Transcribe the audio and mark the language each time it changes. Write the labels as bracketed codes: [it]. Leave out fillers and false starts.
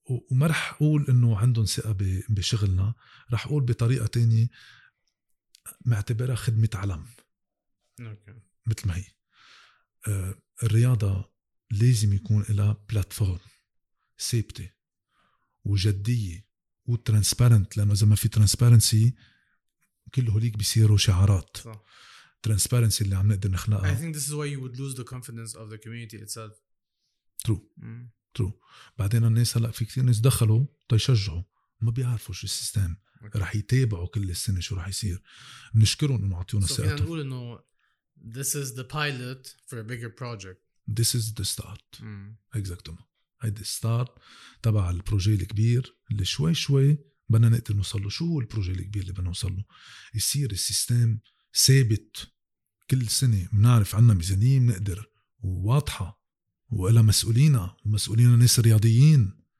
[ar] وما رح اقول انه عندهم ثقة بشغلنا رح اقول بطريقة تانية معتبرها خدمة علم مثل ما هي الرياضة لازم يكون لها بلاتفورم سيبتي وجدية وترانسبارنت لأنه إذا ما في ترانسبارنسي كل هوليك بيصيروا شعارات ترانسبارنسي اللي عم نقدر نخلقها [en] I think this is why you would lose the confidence of the community itself True. [ar] بعدين الناس هلأ في كثير ناس دخلوا تيشجعوا ما بيعرفوا شو السيستم okay. رح يتابعوا كل السنة شو رح يصير نشكرهم أنه عطيونا سيئته نقول أنه [en] This is the pilot for a bigger project. This is the start. Exactly. The start [ar] تبع البروجي الكبير اللي شوي شوي بدنا نقدر نوصل له. شو هو البروجي الكبير اللي بدنا نوصل له؟ يصير السيستم ثابت كل سنة منعرف عنا ميزانية منقدر وواضحة وإلى مسؤولينا ومسؤولينا ناس رياضيين.